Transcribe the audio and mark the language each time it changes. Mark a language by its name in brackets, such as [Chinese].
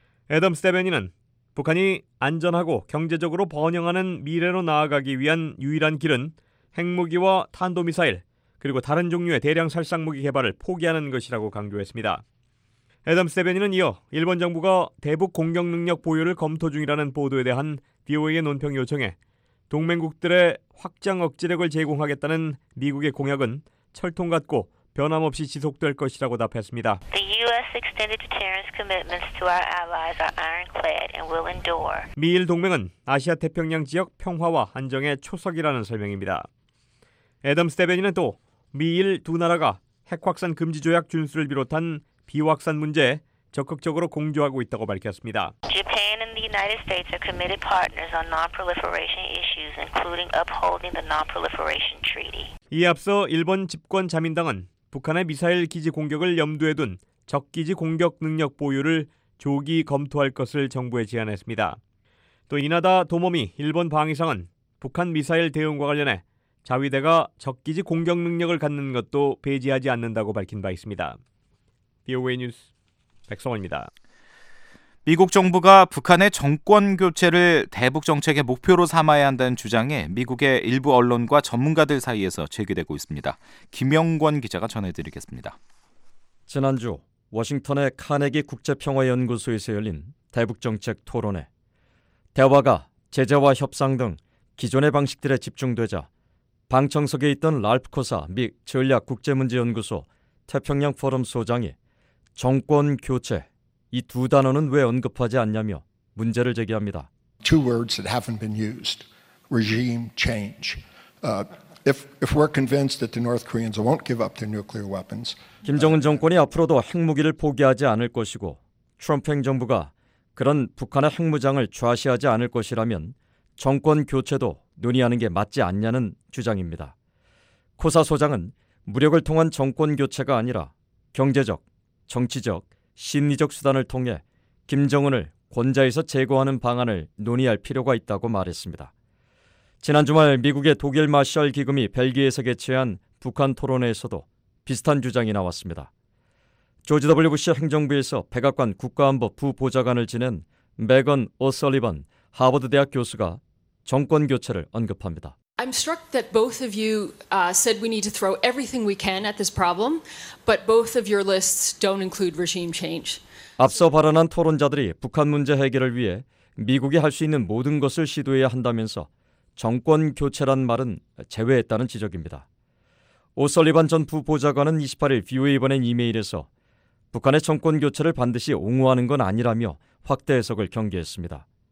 [Korean] 애덤스 대변인은 북한이 안전하고 경제적으로 번영하는 미래로 나아가기 위한 유일한 길은 핵무기와 탄도미사일 그리고 다른 종류의 대량 살상무기 개발을 포기하는 것이라고 강조했습니다. 애덤스 대변인은 이어 일본 정부가 대북 공격 능력 보유를 검토 중이라는 보도에 대한 BOA의 논평 요청에 동맹국들의 확장 억제력을 제공하겠다는 미국의 공약은 철통 같고 변함없이 지속될 것이라고 답했습니다. [English] The U.S. extended deterrence commitments to our allies are ironclad and will endure. [Korean] 미일 동맹은 아시아 태평양 지역 평화와 안정의 초석이라는 설명입니다. 애덤스 대변인은 또 미일 두 나라가 핵확산 금지 조약 준수를 비롯한 비확산 문제에 적극적으로 공조하고 있다고 밝혔습니다. [English] Japan and the United States are committed partners on non-proliferation issues, including upholding the non-proliferation treaty. [Korean] 이에 앞서 일본 집권 자민당은 북한의 미사일 기지 공격을 염두에 둔 적기지 공격 능력 보유를 조기 검토할 것을 정부에 제안했습니다. 또 이나다 도모미 일본 방위상은 북한 미사일 대응과 관련해 자위대가 적기지 공격 능력을 갖는 것도 배제하지 않는다고 밝힌 바 있습니다. BOA 뉴스 백성원입니다. 미국 정부가 북한의 정권 교체를 대북 정책의 목표로 삼아야 한다는 주장에 미국의 일부 언론과 전문가들 사이에서 제기되고 있습니다. 김영권 기자가 전해드리겠습니다. 지난주 워싱턴의 카네기 국제평화연구소에서 열린 대북 정책 토론회. 대화가 제재와 협상 등 기존의 방식들에 집중되자 방청석에 있던 랄프 코사 미 전략국제문제연구소 태평양 포럼 소장이 정권 교체 이 두 단어는 왜 언급하지 않냐며 문제를 제기합니다. [English] Two words that haven't been used. Regime change. If we're convinced that the North Koreans won't give up their nuclear weapons. [Korean] 김정은 정권이 앞으로도 핵무기를 포기하지 않을 것이고 트럼프 행정부가 그런 북한의 핵무장을 좌시하지 않을 것이라면 정권 교체도 논의하는 게 맞지 않냐는 주장입니다. 코사 소장은 무력을 통한 정권 교체가 아니라 경제적, 정치적 심리적 수단을 통해 김정은을 권좌에서 제거하는 방안을 논의할 필요가 있다고 말했습니다. 지난 주말 미국의 독일 마샬 기금이 벨기에에서 개최한 북한 토론회에서도 비슷한 주장이 나왔습니다. 조지 W. 부시 행정부에서 백악관 국가안보 부보좌관을 지낸 매건 오설리번 하버드대학 교수가 정권 교체를 언급합니다. [English] I'm struck that both of you said we need to throw everything we can at this problem, but both of your lists don't include regime change. [Korean] 앞서 발언한 토론자들이 북한 문제 해결을 위해 미국이 할 수 있는 모든 것을 시도해야 한다면서 정권 교체란 말은 제외했다는 지적입니다. 오설리반 전 부보좌관은 28일 VOA에 보낸 이메일에서 북한의 정권 교체를 반드시 옹호하는 건 아니라며 확대 해석을 경계했습니다.